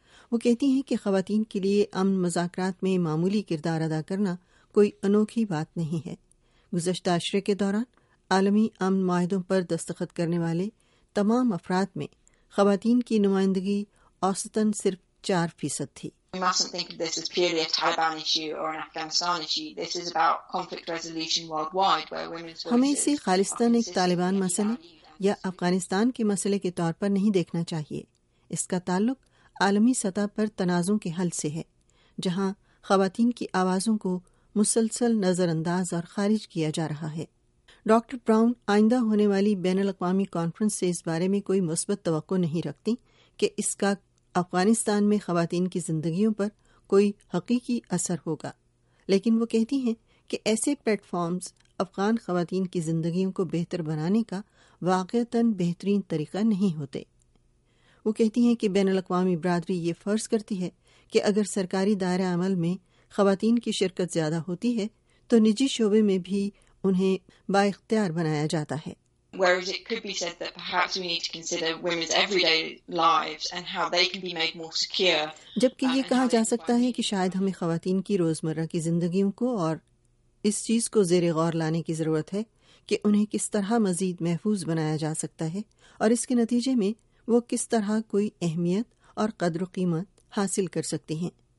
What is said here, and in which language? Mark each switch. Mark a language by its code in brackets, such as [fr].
[ur] وہ کہتی ہیں کہ خواتین کے لیے امن مذاکرات میں معمولی کردار ادا کرنا کوئی انوکھی بات نہیں ہے. گزشتہ عشرے کے دوران عالمی امن معاہدوں پر دستخط کرنے والے تمام افراد میں خواتین کی نمائندگی اوسطاً صرف 4% تھی. [en] We mustn't think of this as purely a Taliban issue or an Afghanistan issue. This is about conflict resolution worldwide where women's voices. [ur] ہمیں اسے خالصتاً ایک طالبان مسئلے یا افغانستان کے مسئلے کے طور پر نہیں دیکھنا چاہیے. اس کا تعلق عالمی سطح پر تنازعوں کے حل سے ہے جہاں خواتین کی آوازوں کو مسلسل نظر انداز اور خارج کیا جا رہا ہے. ڈاکٹر براؤن آئندہ ہونے والی بین الاقوامی کانفرنس سے اس بارے میں کوئی مثبت توقع نہیں رکھتی کہ اس کا افغانستان میں خواتین کی زندگیوں پر کوئی حقیقی اثر ہوگا، لیکن وہ کہتی ہیں کہ ایسے پلیٹ فارمز افغان خواتین کی زندگیوں کو بہتر بنانے کا واقعتاً بہترین طریقہ نہیں ہوتے. وہ کہتی ہیں کہ بین الاقوامی برادری یہ فرض کرتی ہے کہ اگر سرکاری دائرہ عمل میں خواتین کی شرکت زیادہ ہوتی ہے تو نجی شعبے میں بھی انہیں با اختیار بنایا جاتا ہے. [en] Whereas it could be said that perhaps we need to consider women's everyday lives and how they can be made more secure. [ur] جبکہ یہ کہا جا سکتا ہے کہ شاید ہمیں خواتین کی روزمرہ کی زندگیوں کو اور اس چیز کو زیر غور لانے کی ضرورت ہے کہ انہیں کس طرح مزید محفوظ بنایا جا سکتا ہے اور اس کے نتیجے میں وہ کس طرح کوئی اہمیت اور قدر و قیمت حاصل کر سکتی ہیں.